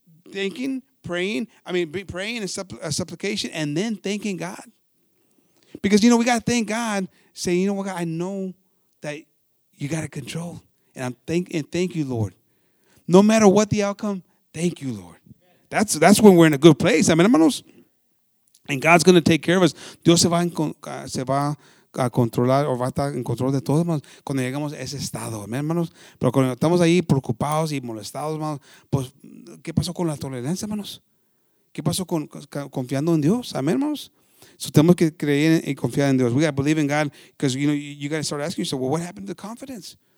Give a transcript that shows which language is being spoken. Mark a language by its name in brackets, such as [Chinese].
[English] Thanking, praying, I mean, praying and supplication and then thanking God. Because, you know, we got to thank God, say, you know what, God, I know that you got to control. And thank you, Lord. No matter what the outcome, thank you, Lord. That's when we're in a good place. Amen, [Spanish] hermanos. [English] And God's going to take care of us. [Spanish] Dios se va a controlar o va a estar en control de todos, hermanos, cuando llegamos a ese estado. Amen, hermanos. Pero cuando estamos ahí preocupados y molestados, hermanos, pues, ¿qué pasó con la tolerancia, hermanos? ¿Qué pasó con confiando en Dios? Amen, hermanos. So tenemos que creer y confiar en Dios. [English] We got to believe in God because, you know, you got to start asking yourself, well, what happened to confidence?